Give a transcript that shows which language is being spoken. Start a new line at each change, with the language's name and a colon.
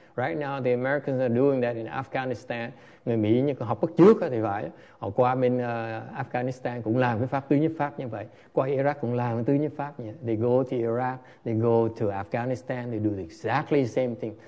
English: Right now, the Americans are doing that in Afghanistan.
Vietnamese: Người Mỹ như họ bắt trước thì phải. Họ qua bên Afghanistan cũng làm cái pháp tứ nhiếp pháp như vậy. Qua Iraq cũng làm tứ nhiếp pháp như vậy.
English: They go to Iraq, they go to Afghanistan, they do exactly the same thing.